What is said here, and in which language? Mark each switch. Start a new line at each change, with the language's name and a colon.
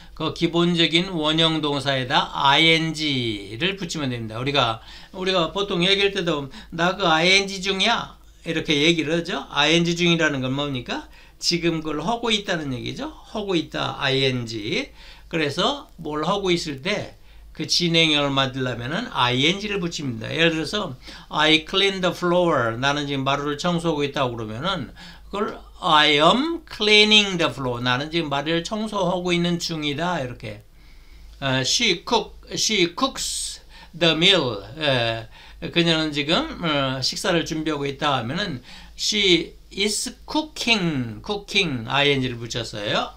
Korean: 그 기본적인 원형 동사에다 ing를 붙이면 됩니다. 우리가 보통 얘기할 때도 나 그 ing 중이야, 이렇게 얘기를 하죠. ing 중이라는 건 뭡니까? 지금 그걸 하고 있다는 얘기죠. 하고 있다, ing. 그래서 뭘 하고 있을 때 그 진행형을 만들려면은 ing를 붙입니다. 예를 들어서
English: I clean the floor.
Korean: 나는 지금 마루를 청소하고 있다고 그러면은 그걸
English: I am cleaning the floor.
Korean: 나는 지금 마루를 청소하고 있는 중이다. 이렇게.
English: She cooks the meal.
Korean: 그녀는 지금 식사를 준비하고 있다 하면은
English: she is cooking
Korean: ing를 붙였어요.